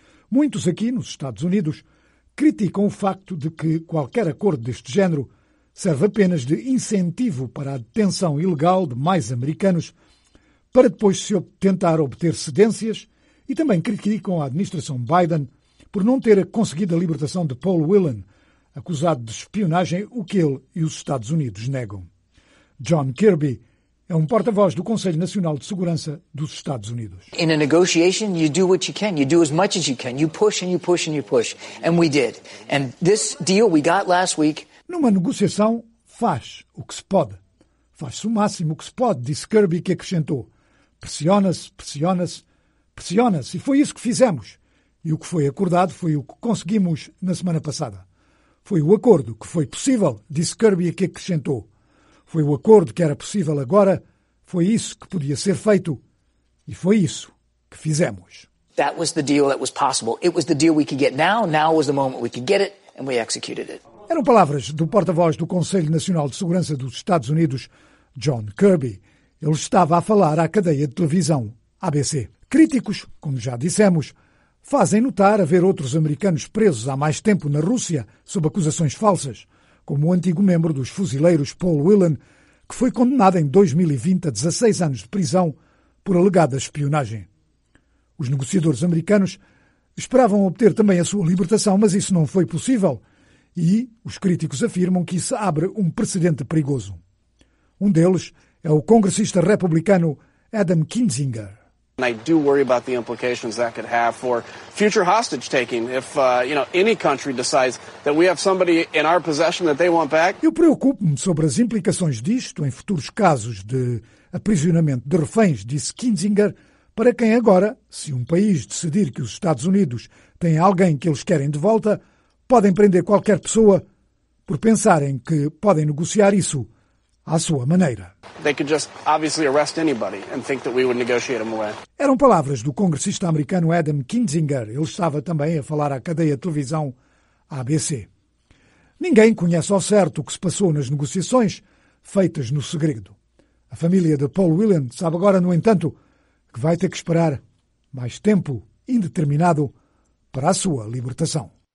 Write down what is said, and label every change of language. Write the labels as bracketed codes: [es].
[pt] Muitos aqui, nos Estados Unidos, criticam o facto de que qualquer acordo deste género serve apenas de incentivo para a detenção ilegal de mais americanos, para depois se tentar obter cedências, e também criticam a administração Biden por não ter conseguido a libertação de Paul Whelan, acusado de espionagem, o que ele e os Estados Unidos negam. John Kirby é um porta-voz do Conselho Nacional de Segurança dos Estados Unidos. [en] In a negotiation, you do what you can, you do as much as you can, you push and you push and you push, and we did. And this deal we got last week. [pt] Numa negociação, faz o que se pode. Faz-se o máximo que se pode, disse Kirby, que acrescentou. Pressiona-se, e foi isso que fizemos. E o que foi acordado foi o que conseguimos na semana passada. Foi o acordo que foi possível, disse Kirby, que acrescentou. Foi o acordo que era possível agora, foi isso que podia ser feito, e foi isso que fizemos. [en] That was the deal that was possible. It was the deal we could get now, now was the moment we could get it, and we executed it. [pt] Eram palavras do porta-voz do Conselho Nacional de Segurança dos Estados Unidos, John Kirby. Ele estava a falar à cadeia de televisão ABC. Críticos, como já dissemos, fazem notar haver outros americanos presos há mais tempo na Rússia sob acusações falsas, como o antigo membro dos fuzileiros Paul Whelan, que foi condenado em 2020 a 16 anos de prisão por alegada espionagem. Os negociadores americanos esperavam obter também a sua libertação, mas isso não foi possível, e os críticos afirmam que isso abre um precedente perigoso. Um deles é o congressista republicano Adam Kinzinger. [en] I do worry about the implications that could have for future hostage taking if, you know, any country decides that we have somebody in our possession that they want back. [pt] Eu preocupo-me sobre as implicações disto em futuros casos de aprisionamento de reféns, disse Kinzinger, para quem agora, se um país decidir que os Estados Unidos têm alguém que eles querem de volta, podem prender qualquer pessoa por pensarem que podem negociar isso à sua maneira. [en] They could just obviously arrest anybody and think that we would negotiate them away. [pt] Eram palavras do congressista americano Adam Kinzinger. Ele estava também a falar à cadeia de televisão ABC. Ninguém conhece ao certo o que se passou nas negociações feitas no segredo. A família de Paul Whelan sabe agora, no entanto, que vai ter que esperar mais tempo indeterminado para a sua libertação.